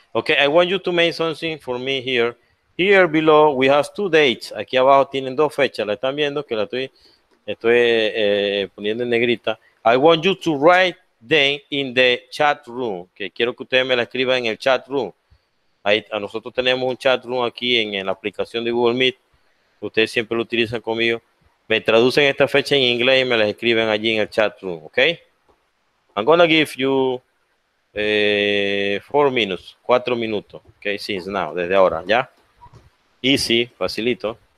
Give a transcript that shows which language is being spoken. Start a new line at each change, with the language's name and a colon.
English: Okay, I want you to make something for me here. Here below, we have two dates.
Spanish: Aquí abajo tienen dos fechas. La están viendo que la estoy poniendo en negrita.
English: I want you to write them in the chat room.
Spanish: Que quiero que ustedes me la escriban en el chat room. Nosotros tenemos un chat room aquí en la aplicación de Google Meet. Ustedes siempre lo utilizan conmigo. Me traducen esta fecha en inglés y me la escriben allí en el chat room.
English: Okay? I'm gonna give you 4 minutes, okay, since now,
Spanish: desde ahora, ya,
English: easy, facilito.